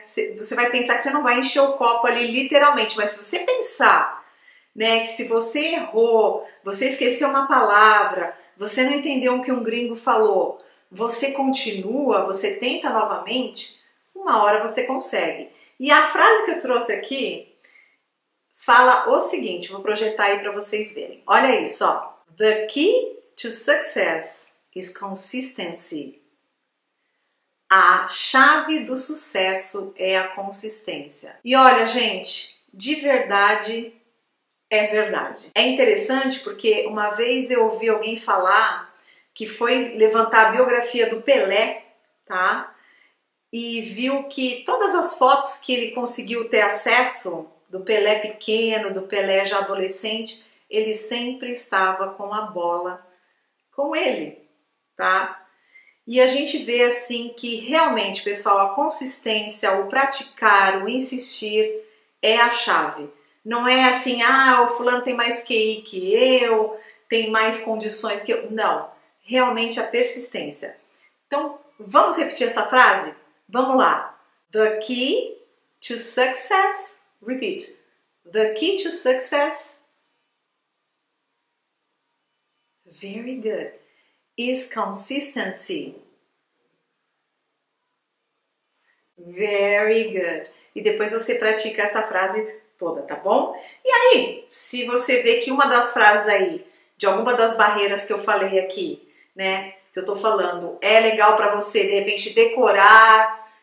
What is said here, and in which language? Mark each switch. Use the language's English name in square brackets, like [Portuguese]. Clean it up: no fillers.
[Portuguese] Você vai pensar que você não vai encher o copo ali literalmente, mas se você pensar, né, que se você errou, você esqueceu uma palavra, você não entendeu o que um gringo falou, você continua, você tenta novamente, uma hora você consegue. E a frase que eu trouxe aqui fala o seguinte, vou projetar aí para vocês verem. Olha isso, ó. [English] The key to success is consistency. [Portuguese] A chave do sucesso é a consistência. E olha, gente, de verdade. É verdade. É interessante porque uma vez eu ouvi alguém falar que foi levantar a biografia do Pelé, tá? E viu que todas as fotos que ele conseguiu ter acesso do Pelé pequeno, do Pelé já adolescente, ele sempre estava com a bola com ele, tá? E a gente vê assim que realmente, pessoal, a consistência, o praticar, o insistir é a chave. Não é assim, ah, o fulano tem mais QI que eu, tem mais condições que eu. Não, realmente a persistência. Então, vamos repetir essa frase? Vamos lá. [English] The key to success, repeat. The key to success, very good, is consistency. Very good. [Portuguese] E depois você pratica essa frase toda, tá bom? E aí, se você vê que uma das frases aí, de alguma das barreiras que eu falei aqui, né, que eu tô falando, é legal para você de repente decorar,